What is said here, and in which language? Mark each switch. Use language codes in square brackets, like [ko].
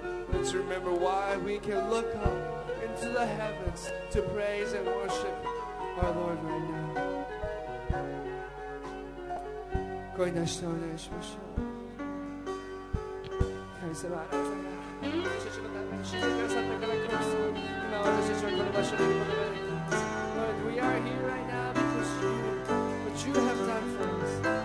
[en] Let's remember why we can look up into the heavens to praise and worship our Lord right now. [ja] 声出してお願いしましょう。神様、あなたが私たちのために沈んでくださったから今、今私たちはこの場所に戻られています。 [en] Lord, we are here right now because you, what you have done for us.